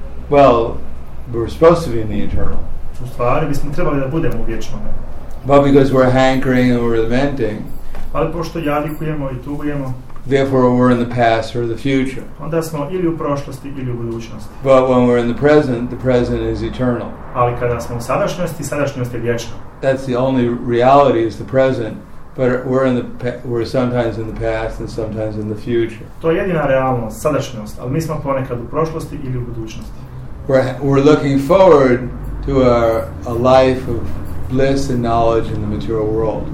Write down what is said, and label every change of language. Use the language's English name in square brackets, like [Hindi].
[English] Well, we're supposed to be in the eternal. [Bosnian] U stvari bismo trebali da budemo u vječnome. [English] But because we're hankering and we're lamenting. [Bosnian] Ali pošto jadikujemo i tugujemo. [English] Therefore we're in the past or the future. [Bosnian] Onda smo ili u prošlosti ili u budućnosti. [English] But when we're in the present is eternal. [Bosnian] Ali kada smo u sadašnjosti, sadašnjost je vječna. [English] That's the only reality is the present, but we're sometimes in the past and sometimes in the future. [Bosnian] To je jedina realnost, sadašnjost, ali mi smo ponekad u prošlosti ili u budućnosti. [English] We're looking forward to a life of bliss and knowledge in the material world.